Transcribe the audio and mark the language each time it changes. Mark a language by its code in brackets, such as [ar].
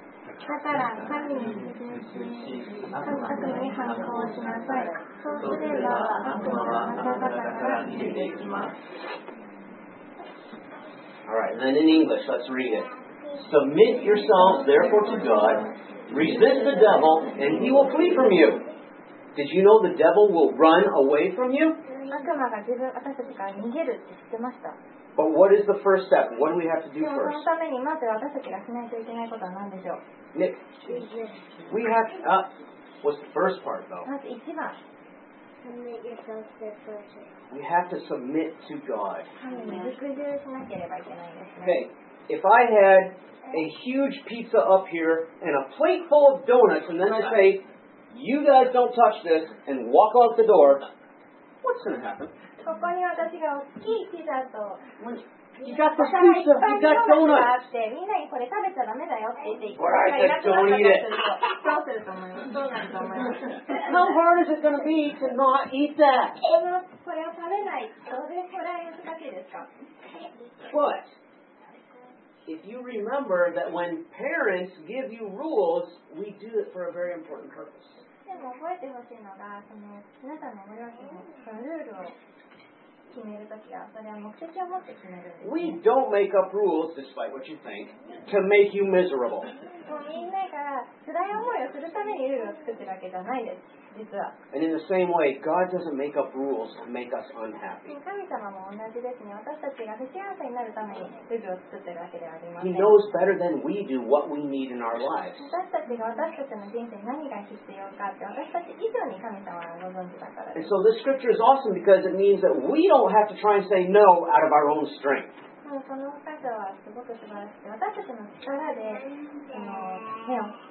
[ja] だから神に信じ、神に反抗しなさい。そうすれば悪魔はあなた方から逃げていきます。 [en] All right, then in English, let's read it. Submit yourselves therefore to God, resist the devil, and he will flee from you. Did you know the devil will run away from you? [ja] 悪魔が自分私たちから逃げるって知ってました。 [en] But what is the first step? What do we have to do first? [ja] でもそのためにまず私たちがしないといけないことは何でしょう [en] Nick, we have to, what's the first part though? [ja] まず一番。 [en] Submit yourself We have to submit to God. [ja] 神に服従しなければいけないですね。 [en] Okay, if I had a huge pizza up here and a plate full of donuts and then I say, you guys don't touch this and walk out the door, [ja] ここに私が大きいピザと [en] you got the pizza, you got donuts. [ja] みんなにこれ食べちゃダメだよって言って [en] All right, let's go eat it. [ja] どうすると思います [en] How hard is it going to be to not eat that? [ja] これを食べない、どれくらい難しいですか [en] But if you remember that when parents give you rules, we do it for a very important purpose. [ja] でも覚えてほしいのが、その皆さんの親子のそのルールを決めるときは、それは目的を持って決めるんです、ね。 [en] We don't make up rules, despite what you think, to make you miserable. [ja] もうみんなが辛い思いをするためにルールを作ってるわけじゃないです。 [en] And in the same way, God doesn't make up rules to make us unhappy. [ja] 神様も同じですね。私たちが不幸せになるためにルールを作ってるわけではありません。 [en] He knows better than we do what we need in our lives. [ja] 私たちが私たちの人生に何が必要かって私たち以上に神様はご存知だからです。 [en] And so this scripture is awesome because it means that we don't have to try and say no out of our own strength. [ja] この箇所はすごく素晴らしい。私たちの力で、目を